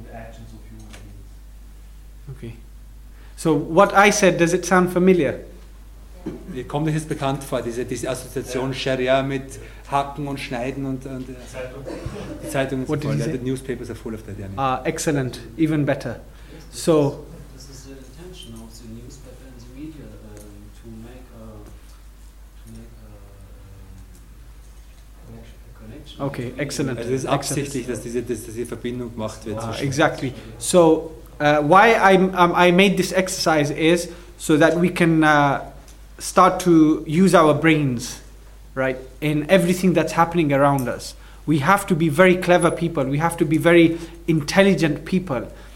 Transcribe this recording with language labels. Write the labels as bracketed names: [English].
[English] Sharia encompasses all laws regarding the actions of human beings. Okay. So what I said, does it sound familiar? [German] Kommt diese Assoziation Sharia mit Hacken und Schneiden und die Zeitung ist voll, [English] the newspapers are full of that. Yeah. Ah, excellent, even better. Yes, so this is the intention of the newspaper and the media Okay, excellent. [German] Also es ist absichtlich, dass diese Verbindung gemacht wird. [English] Exactly. So, why I made this exercise is so that we can start to use our brains, right, in everything that's happening around us. We have to be very clever people. We have to be very intelligent people.